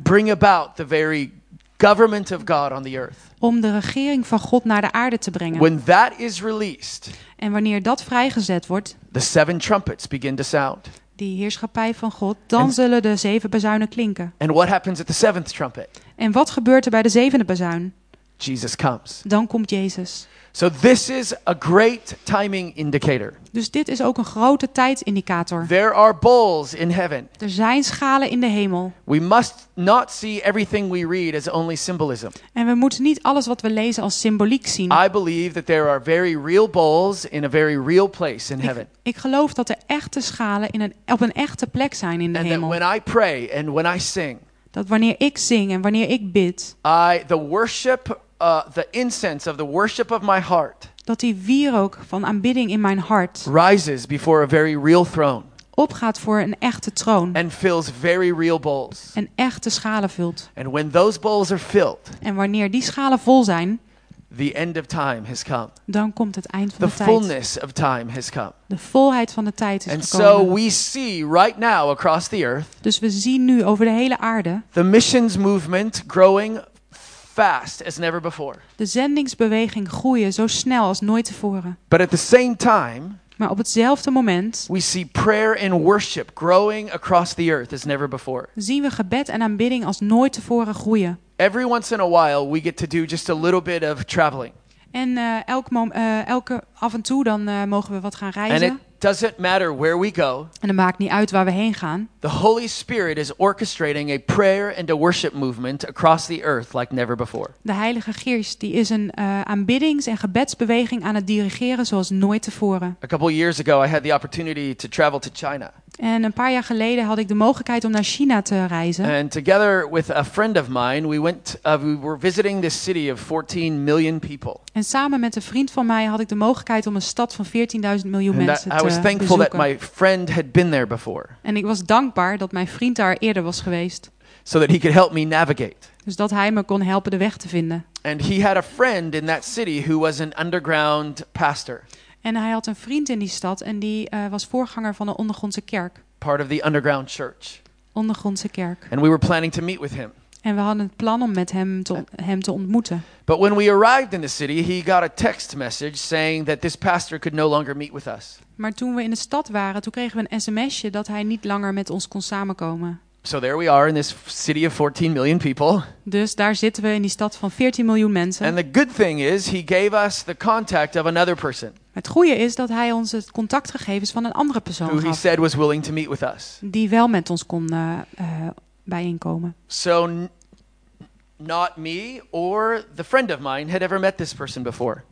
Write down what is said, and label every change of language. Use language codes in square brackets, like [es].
[en] Bring about the very government of God on the earth. [nl] Om de regering van God naar de aarde te brengen. [en] When that is released. [nl] En wanneer dat vrijgezet wordt. [en] The seven trumpets begin to sound. [nl] Die heerschappij van God, dan zullen de zeven bazuinen klinken. [en] And what happens at the seventh trumpet? [nl] En wat gebeurt er bij de zevende bazuin? [en] Jesus comes. [nl] Dan komt Jezus. [en] So this is a great timing indicator. [nl] Dus dit is ook een grote tijdsindicator. [en] There are bowls in heaven. [nl] Er zijn schalen in de hemel. [en] We must not see everything we read as only symbolism. [nl] En we moeten niet alles wat we lezen als symboliek zien. [en] I believe that there are very real bowls in a very real place in heaven. [nl] Ik geloof dat er echte schalen op een echte plek zijn in de [en] and [nl] hemel. [en] And when I pray and when I sing. [nl] Dat wanneer ik zing en wanneer ik bid. [en] The incense of the worship of my heart. [nl] Dat die wierook van aanbidding in mijn hart. [en] Rises before a very real throne. [nl] Opgaat voor een echte troon. [en] And fills very real bowls. [nl] En echte schalen vult. [en] And when those bowls are filled. [nl] En wanneer die schalen vol zijn. [en] The end of time has come. [nl] Dan komt het eind van [en] the [nl] de tijd. [en] The fullness of time has come. [nl] De volheid van de tijd is [en] and [nl] gekomen. [en] So we see right now across the earth. [nl] Dus we zien nu over de hele aarde. [en] The missions movement growing fast as never before. [nl] De zendingsbeweging groeien zo snel als nooit tevoren. [en] But at the same time. [nl] Maar op hetzelfde moment. [en] We see prayer and worship growing across the earth as never before. [nl] Zien we gebed en aanbidding als nooit tevoren groeien. [en] Every once in a while we get to do just a little bit of traveling. [nl] En elke af en toe dan mogen we wat gaan reizen. [en] And it doesn't matter where we go. [nl] En het maakt niet uit waar we heen gaan. [en] The Holy Spirit is orchestrating a prayer and a worship movement across the earth like never before. [nl] De Heilige Geest die is een aanbiddings- en gebedsbeweging aan het dirigeren zoals nooit tevoren. [en] A couple years ago I had the opportunity to travel to China. [nl] En een paar jaar geleden had ik de mogelijkheid om naar China te reizen. [en] And together with a friend of mine, we were visiting this city of 14 million people. [nl] En samen met een vriend van mij had ik de mogelijkheid om een stad van 14.000 miljoen mensen te bezoeken. [en] I was thankful that my friend had been there before. [nl] En ik was dankbaar dat mijn vriend daar eerder was geweest. [en] So that he could help me navigate. [nl] Dus dat hij me kon helpen de weg te vinden. [en] And he had a friend in that city who was an underground pastor. [nl] En hij had een vriend in die stad en die was voorganger van een ondergrondse kerk. [en] Part of the underground church. [nl] Ondergrondse kerk. [en] And we were planning to meet with him. [nl] En we hadden het plan om met hem te ontmoeten. [en] But when we arrived in the city, he got a text message saying that this pastor could no longer meet with us. [nl] Maar toen we in de stad waren, toen kregen we een sms'je dat hij niet langer met ons kon samenkomen. [en] So there we are in this city of 14 million people. [nl] Dus daar zitten we in die stad van 14 miljoen mensen. [en] And the good thing is he gave us the contact of another person. [nl] Het goede is dat hij ons het contactgegevens van een andere persoon [en] who [nl] gaf. [en] He said was willing to meet with us. [nl] Die wel met ons kon bijeenkomen. [en] So not me or the friend of mine had ever met this person before.